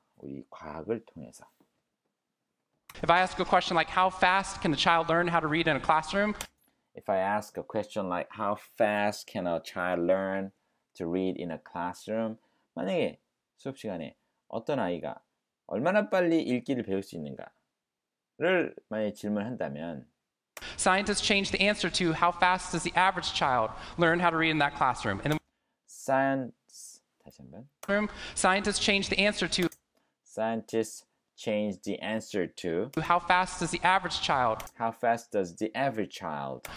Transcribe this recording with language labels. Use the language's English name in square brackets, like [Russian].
[Korean] 우리 과학을 통해서. [English] If I ask a question like how fast can a child learn how to read in a classroom? If I ask a question like how fast can a child learn to read in a classroom? [Korean] 만약에 수업 시간에 어떤 아이가 얼마나 빨리 읽기를 배울 수 있는가를 만약에 질문한다면 [English] Scientists change the answer to how fast does the average child learn how to read in that classroom? And Scientists change the answer to Scientists change the answer to how fast does the average child how fast does the average child